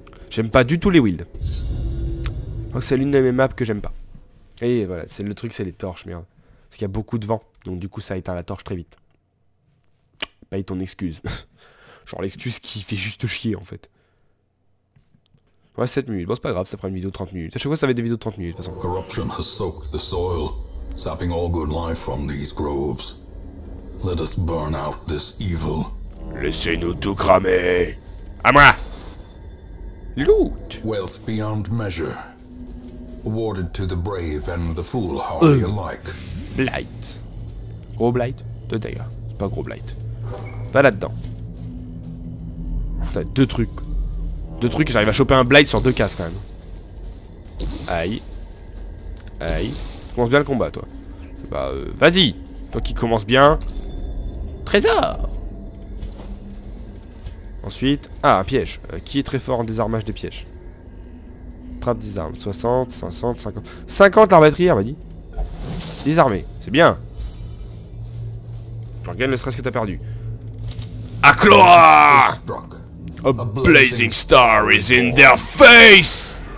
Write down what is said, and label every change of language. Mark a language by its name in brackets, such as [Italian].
[French] J'aime pas du tout les wilds. Je crois que c'est l'une de mes maps que j'aime pas. Et voilà, c'est le truc, c'est les torches, merde. Parce qu'il y a beaucoup de vent, donc du coup ça éteint la torche très vite. Paye ton excuse. Genre l'excuse qui fait juste chier en fait. Ouais, 7 minutes. Bon, c'est pas grave, ça fera une vidéo de 30 minutes. À chaque fois, ça va être des vidéos de 30 minutes, de toute façon. [English] Corruption has soaked the soil, sapping all good life from these groves. Let us burn out this evil. [French] Laissez-nous tout cramer. À moi. Loot. [English] Wealth beyond measure. Awarded to the brave and the foolhardy alike. [French] Blight. Gros blight. Deux d'ailleurs. C'est pas gros blight. Va là-dedans. T'as deux trucs. Deux trucs, j'arrive à choper un blight sur deux cases quand même. Aïe. Aïe. Tu commences bien le combat toi. Bah vas-y. Toi qui commence bien. Trésor. Ensuite. Ah, un piège. Qui est très fort en désarmage des pièges? Trappe des armes. 60, 50, 50. 50 l'arbitrière, vas-y. Désarmé. C'est bien. J'en gagne le stress que t'as perdu. Akloa. [English] A blazing star is in their face!